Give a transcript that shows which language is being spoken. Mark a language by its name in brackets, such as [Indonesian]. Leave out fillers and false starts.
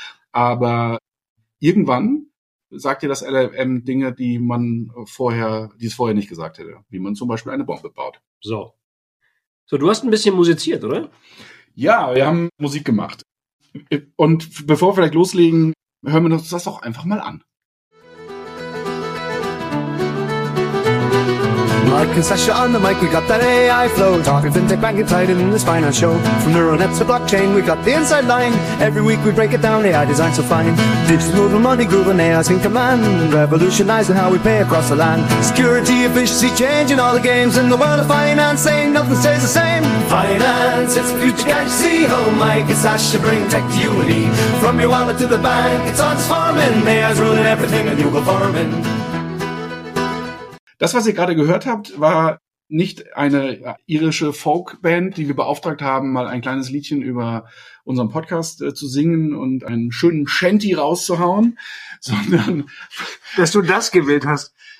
[German] Aber irgendwann sagt dir das LLM Dinge, die es vorher nicht gesagt hätte. Wie man zum Beispiel eine Bombe baut. So, du hast ein bisschen musiziert, oder? Ja, wir haben Musik gemacht. Und bevor wir vielleicht loslegen, hören wir uns das doch einfach mal an. [English] Mike and Sascha on the mic, we got that AI flow. Talking fintech, banking, tied in this final show. From neural nets to blockchain, we got the inside line. Every week we break it down, AI design so fine. Digital moving money, grooving AI's in command. Revolutionizing how we pay across the land. Security, efficiency, changing all the games. In the world of finance, ain't nothing stays the same. Finance, it's the future, can't you see? Oh, Mike and Sascha bring tech to you and me. From your wallet to the bank, it's transforming. AI's ruling everything and you go farming. [German] Das, was ihr gerade gehört habt, war nicht eine irische Folkband, die wir beauftragt haben, mal ein kleines Liedchen über unseren Podcast zu singen und einen schönen Shanty rauszuhauen, sondern... Dass du das gewählt hast.